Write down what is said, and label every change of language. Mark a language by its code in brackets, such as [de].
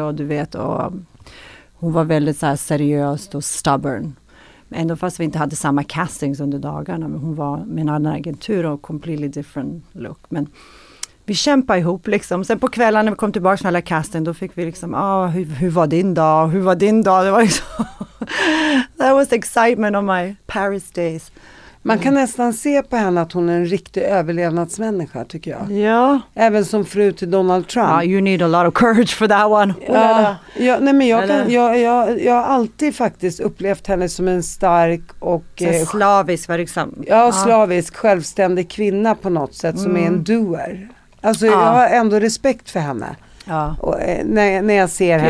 [sv] Och du vet, och hon var väldigt så här seriöst och stubborn. Ändå fast vi inte hade samma castings under dagarna. Men hon var med en annan agentur och [en] completely different look. [sv] Men vi kämpade ihop liksom. Sen på kvällen när vi kom tillbaka från alla casting, då fick vi liksom, hur var din dag? Hur var din dag? Det var liksom, [en] that was the excitement of my Paris days. [sv] Man kan nästan se på henne att hon är en riktig överlevnadsmänniska, tycker jag. Ja. Även som fru till Donald Trump. [en] You need a lot of courage for that one. [sv] Ja, nej, men jag har alltid faktiskt upplevt henne som en stark och... slavisk, verksam. Ja, slavisk, självständig kvinna på något sätt som är en doer. Alltså jag har ändå respekt för henne. Ja. Och, när jag ser henne.